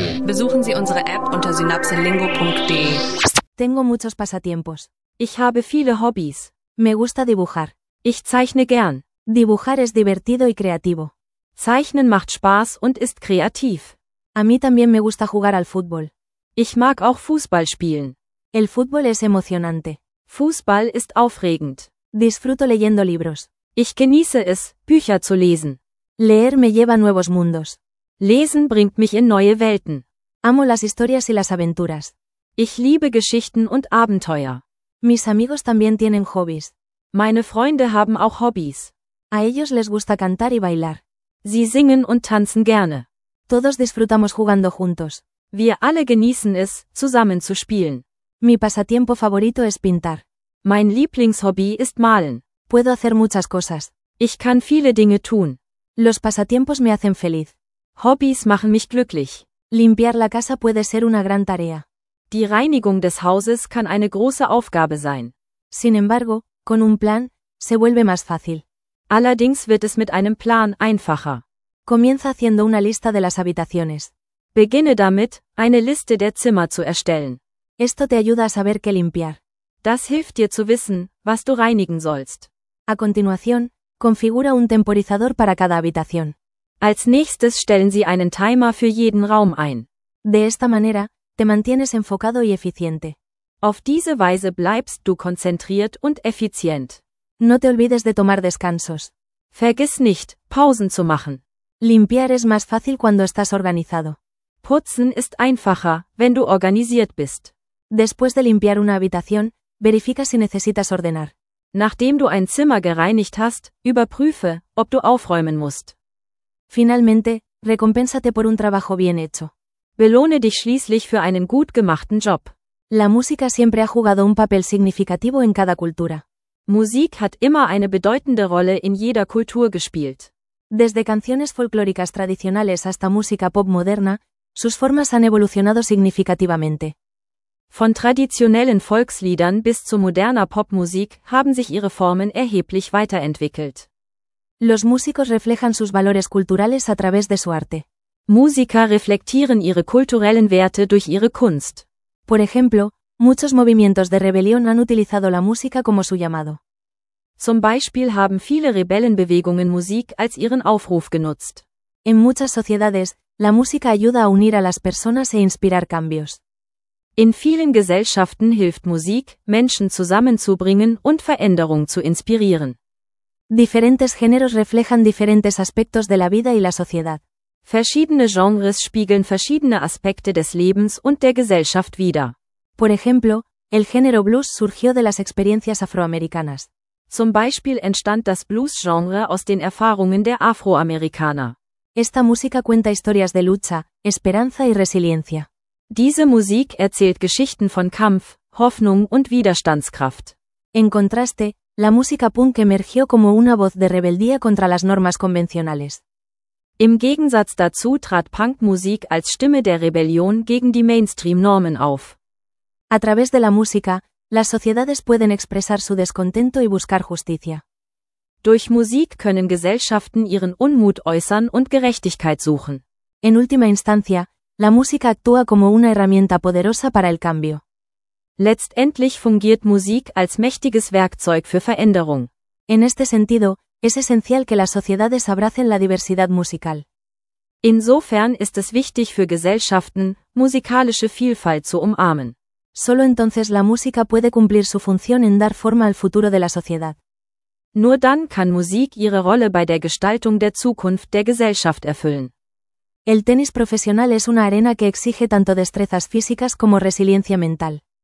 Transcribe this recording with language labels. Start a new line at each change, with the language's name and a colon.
German: Besuchen Sie unsere App unter synapselingo.de.
Spanish: Tengo muchos pasatiempos.
German: Ich habe viele Hobbys.
Spanish: Me gusta dibujar.
German: Ich zeichne gern.
Spanish: Dibujar es divertido y creativo.
German: Zeichnen macht Spaß und ist kreativ.
Spanish: A mí también me gusta jugar al fútbol.
German: Ich mag auch Fußball spielen.
Spanish: El fútbol es emocionante.
German: Fußball ist aufregend.
Spanish: Disfruto leyendo libros.
German: Ich genieße es, Bücher zu lesen.
Spanish: Leer me lleva a nuevos mundos.
German: Lesen bringt mich in neue Welten.
Spanish: Amo las historias y las aventuras.
German: Ich liebe Geschichten und Abenteuer.
Spanish: Mis amigos también tienen Hobbys.
German: Meine Freunde haben auch Hobbys.
Spanish: A ellos les gusta cantar y bailar.
German: Sie singen und tanzen gerne.
Spanish: Todos disfrutamos jugando juntos.
German: Wir alle genießen es, zusammen zu spielen.
Spanish: Mi pasatiempo favorito es pintar.
German: Mein Lieblingshobby ist malen.
Spanish: Puedo hacer muchas cosas.
German: Ich kann viele Dinge tun.
Spanish: Los pasatiempos me hacen feliz.
German: Hobbys machen mich glücklich.
Spanish: Limpiar la casa puede ser una gran tarea.
German: Die Reinigung des Hauses kann eine große Aufgabe sein.
Spanish: Sin embargo, con un plan, se vuelve más fácil.
German: Allerdings wird es mit einem Plan einfacher.
Spanish: Comienza haciendo una lista de las habitaciones.
German: Beginne damit, eine Liste der Zimmer zu erstellen.
Spanish: Esto te ayuda a saber qué limpiar.
German: Das hilft dir zu wissen, was du reinigen sollst.
Spanish: A continuación, configura un temporizador para cada habitación.
German: Als nächstes stellen Sie einen Timer für jeden Raum ein.
Spanish: De esta manera, te mantienes enfocado y eficiente.
German: Auf diese Weise bleibst du konzentriert und effizient.
Spanish: No te olvides de tomar descansos.
German: Vergiss nicht, Pausen zu machen.
Spanish: Limpiar es más fácil cuando estás organizado.
German: Putzen ist einfacher, wenn du organisiert bist.
Spanish: Después de limpiar una habitación, verifica si necesitas ordenar.
German: Nachdem du ein Zimmer gereinigt hast, überprüfe, ob du aufräumen musst.
Spanish: Finalmente, recompénsate por un trabajo bien hecho.
German: Belohne dich schließlich für einen gut gemachten Job.
Spanish: La música siempre ha jugado un papel significativo en cada cultura.
German: Musik hat immer eine bedeutende Rolle in jeder Kultur gespielt.
Spanish: Desde canciones folclóricas tradicionales hasta música pop moderna, sus formas han evolucionado significativamente.
German: Von traditionellen Volksliedern bis zu moderner Popmusik haben sich ihre Formen erheblich weiterentwickelt.
Spanish: Los músicos reflejan sus valores culturales a través de su arte.
German: Musiker reflektieren ihre kulturellen Werte durch ihre Kunst.
Spanish: Por ejemplo, muchos movimientos de rebelión han utilizado la música como su llamado.
German: Zum Beispiel haben viele Rebellenbewegungen Musik als ihren Aufruf genutzt.
Spanish: En muchas sociedades, la música ayuda a unir a las personas e inspirar cambios.
German: In vielen Gesellschaften hilft Musik, Menschen zusammenzubringen und Veränderung zu inspirieren.
Spanish: Diferentes géneros reflejan diferentes aspectos de la vida y la sociedad.
German: Verschiedene Genres spiegeln verschiedene Aspekte des Lebens und der Gesellschaft wider.
Spanish: Por ejemplo, el género blues surgió de las experiencias afroamericanas.
German: Zum Beispiel entstand das Blues-Genre aus den Erfahrungen der Afroamerikaner.
Spanish: Esta música cuenta historias de lucha, esperanza y resiliencia.
German: Diese Musik erzählt Geschichten von Kampf, Hoffnung und Widerstandskraft.
Spanish: En contraste, la música punk emergió como una voz de rebeldía contra las normas convencionales.
German: Im Gegensatz dazu trat Punkmusik als Stimme der Rebellion gegen die Mainstream-Normen auf.
Spanish: A través de la música, las sociedades pueden expresar su descontento y buscar justicia.
German: Durch Musik können Gesellschaften ihren Unmut äußern und Gerechtigkeit suchen.
Spanish: En última instancia, la música actúa como una herramienta poderosa para el cambio.
German: Letztendlich fungiert Musik als mächtiges Werkzeug für Veränderung.
Spanish: En este sentido, es esencial que las sociedades abracen la diversidad musical.
German: Insofern ist es wichtig für Gesellschaften, musikalische Vielfalt zu umarmen.
Spanish: Solo entonces la música puede cumplir su función en dar forma al futuro de la sociedad.
German: Nur dann kann Musik ihre Rolle bei der Gestaltung der Zukunft der Gesellschaft erfüllen.
Spanish: El tenis profesional es una arena que exige tanto destrezas físicas como resiliencia mental.